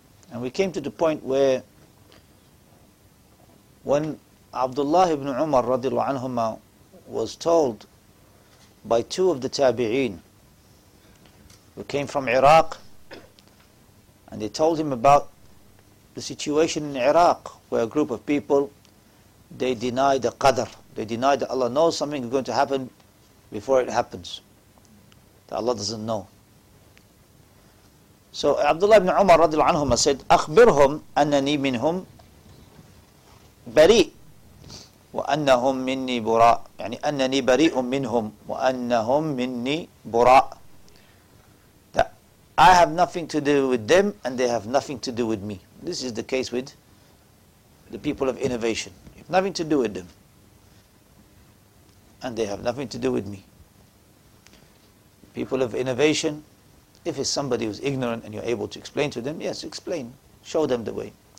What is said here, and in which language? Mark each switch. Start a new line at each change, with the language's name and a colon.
English: And we came to the point where, when Abdullah ibn Umar, radiallahu anhuma, was told by two of the tabi'een, who came from Iraq, and they told him about the situation in Iraq, where a group of people, they deny the Qadr. They deny that Allah knows something is going to happen before it happens. That Allah doesn't know. So Abdullah ibn Umar radiallahu anhum said,
Arabic: أخبرهم أنني منهم بريء وأنهم مني براء. يعني أنني بريء منهم وأنهم مني براء.
English: I have nothing to do with them and they have nothing to do with me. This is the case with the people of innovation. You have nothing to do with them and they have nothing to do with me. People of innovation, if it's somebody who's ignorant and you're able to explain to them, yes, explain, show them the way.